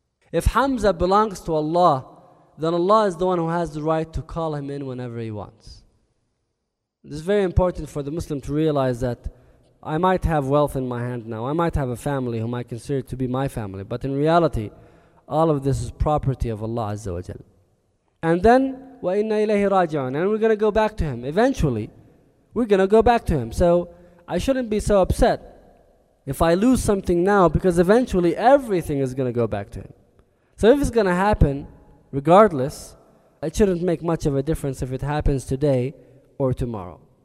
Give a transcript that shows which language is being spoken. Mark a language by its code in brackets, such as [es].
[en] If Hamza belongs to Allah, then Allah is the one who has the right to call him in whenever he wants. This is very important for the Muslim to realize that I might have wealth in my hand now, I might have a family whom I consider to be my family, but in reality, all of this is property of Allah Azza wa Jalla. And then, [ar] وَإِنَّ إِلَيْهِ رَاجِعُونَ. [en] And we're going to go back to him. Eventually, we're going to go back to him. So I shouldn't be so upset if I lose something now, because eventually everything is going to go back to him. So if it's going to happen, regardless, it shouldn't make much of a difference if it happens today or tomorrow.